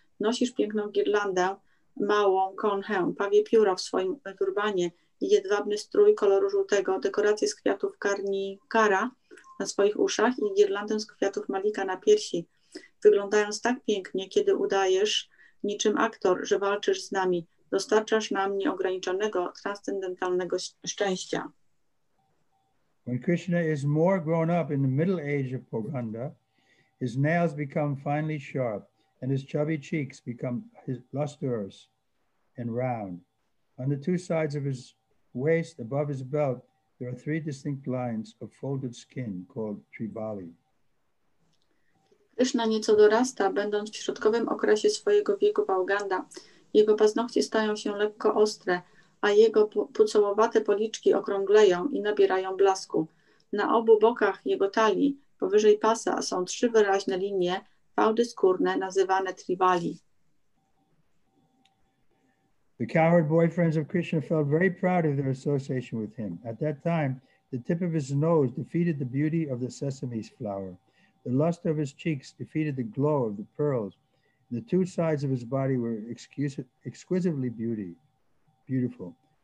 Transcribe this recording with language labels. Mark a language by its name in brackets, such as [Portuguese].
[Polish] Nosisz piękną girlandę, małą konchę, pawie pióro w swoim turbanie i jedwabny strój koloru żółtego, dekoracje z kwiatów Karnikara na swoich uszach i girlandę z kwiatów Malika na piersi. Wyglądając tak pięknie, kiedy udajesz niczym aktor, że walczysz z nami, dostarczasz nam nieograniczonego, transcendentalnego szczęścia. [English] When Krishna is more grown up in the middle age of Pauganda, his nails become finely sharp and his chubby cheeks become lustrous and round. On the two sides of his waist, above his belt, there are three distinct lines of folded skin called tribali. [Polish] Krishna nieco dorasta, będąc w środkowym okresie swojego wieku Pauganda. Jego paznokcie stają się lekko ostre, a jego pucołowate policzki okrągleją i nabierają blasku. Na obu bokach jego talii, powyżej pasa, są trzy wyraźne linie, fałdy skórne, nazywane tribali. [English] The cowherd boyfriends of Krishna felt very proud of their association with him. At that time, the tip of his nose defeated the beauty of the sesame's flower. The luster of his cheeks defeated the glow of the pearls. The two sides of his body were exquisitely beautiful.